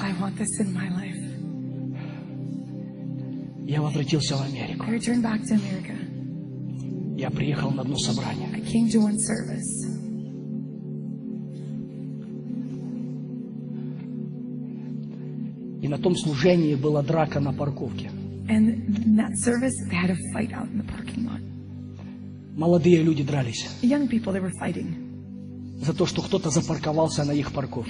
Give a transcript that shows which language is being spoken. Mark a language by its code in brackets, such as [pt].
[en] I want this in my life. [ru] Я возвратился в Америку. [en] I returned back to America. [ru] Я приехал на одно собрание. [en] I came to one service. [ru] И на том служении была драка на парковке. [en] And in that service, they had a fight out in the parking lot. [ru] Молодые люди дрались. [en] Young people, they were fighting. [ru] За то, что кто-то запарковался на их парковке.